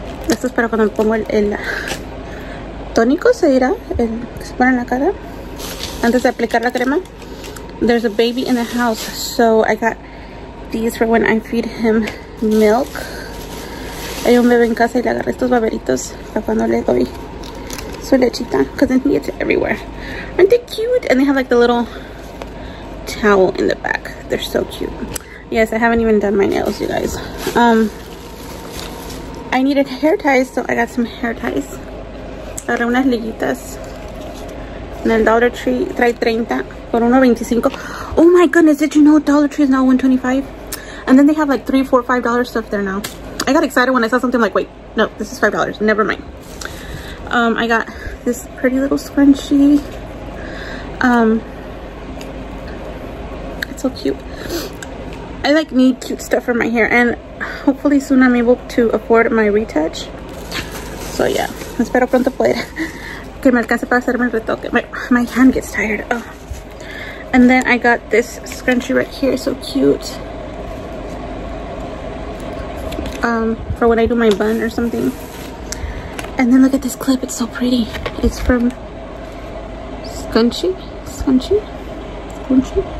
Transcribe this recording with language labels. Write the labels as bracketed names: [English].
[Spanish] Esto es para cuando me pongo el tónico, se dirá, el que se pone en la cara antes de aplicar la crema. [English] There's a baby in the house, so I got these for when I feed him milk. [Spanish] Hay un bebé en casa y le agarré estos baberitos para cuando le doy su lechita, [English] because then he gets it everywhere. Aren't they cute? And they have like the little towel in the back. They're so cute. Yes, I haven't even done my nails, you guys. I needed hair ties, so I got some hair ties. [Spanish] Agarré unas liguitas en el Dollar Tree. Trae 30 por 1.25. [English] Oh my goodness, did you know Dollar Tree is now $1.25? And then they have like $3, $4, $5 stuff there now. I got excited when I saw something like, wait, no, this is $5. Never mind. I got this pretty little scrunchie. It's so cute. I like need cute stuff for my hair, and hopefully soon I'm able to afford my retouch. So yeah, [Spanish] espero pronto poder que me alcance para hacerme el retoque. [English] My hand gets tired. Oh, and then I got this scrunchie right here, so cute. For when I do my bun or something. And then look at this clip, it's so pretty. It's from scrunchie.